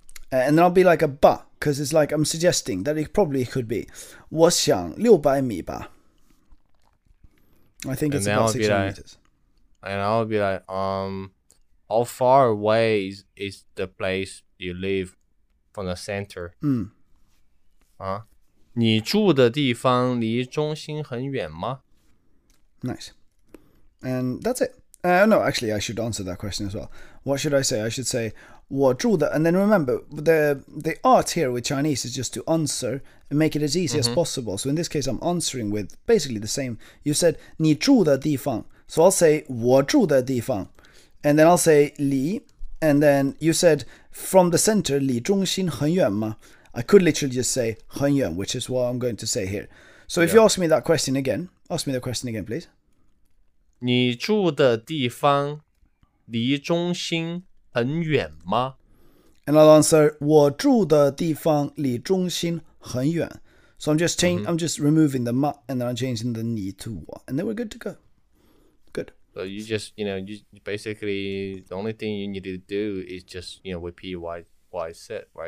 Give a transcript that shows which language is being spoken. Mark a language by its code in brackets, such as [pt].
[en] And then I'll be like a ba, because it's like I'm suggesting that it probably could be. [zh] 我想六百米吧. [en] I think it's about 600 meters. And I'll be like, how far away is the place you live from the center? [zh] 你住的地方离中心很远吗? [en] Nice. And that's it. No, actually, I should answer that question as well. What should I say? I should say, water. And then remember, the art here with Chinese is just to answer and make it as easy as possible. So in this case, I'm answering with basically the same. You said, [zh] 你住的地方. [en] So I'll say, [zh] 我住的地方. [en] And then I'll say, 离.And then you said, from the center, [zh] 离中心很远吗? [en] I could literally just say, 很远, which is what I'm going to say here. So if you ask me that question again, ask me the question again, please. [zh] 你住的地方离中心很远吗? [en] And I'll answer, [zh] 我住的地方离中心很远. [en] So I'm just removing the ma, and then I'm changing the ni to wa, and then we're good to go. Good. So you just, you know, you basically the only thing you need to do is just, you know, repeat what I said, right?